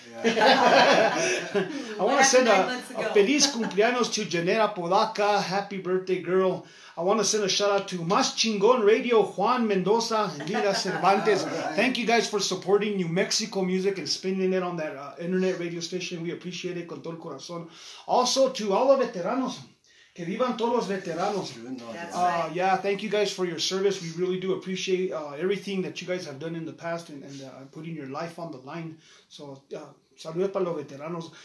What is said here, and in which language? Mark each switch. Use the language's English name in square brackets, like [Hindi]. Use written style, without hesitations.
[English] Yeah. I want to send a [Spanish] feliz cumpleaños [English] to Janera Podaca. Happy birthday, girl. I want to send a shout-out to Mas Chingon Radio, Juan Mendoza, Lila Cervantes. Right. Thank you guys for supporting New Mexico music and spinning it on that internet radio station. We appreciate it [Spanish] con todo el corazón. [English] Also, to all the veteranos. [Spanish] Que vivan todos los veteranos. [English] Right. Yeah, thank you guys for your service. We really do appreciate everything that you guys have done in the past and putting your life on the line. [Spanish] So, saludos para los veteranos.